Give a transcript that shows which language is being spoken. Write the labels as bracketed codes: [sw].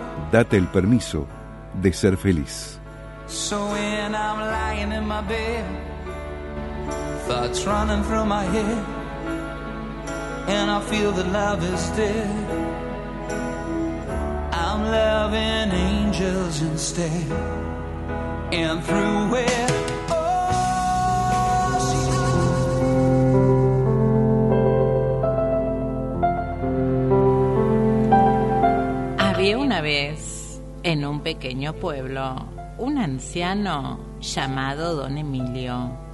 [es] Date el permiso de ser feliz. [en] So when I'm lying in my bed, thoughts running through my head, and I feel that love is dead, I'm loving angels instead. And through where, [es] oh, había una vez en un pequeño pueblo un anciano llamado Don Emilio.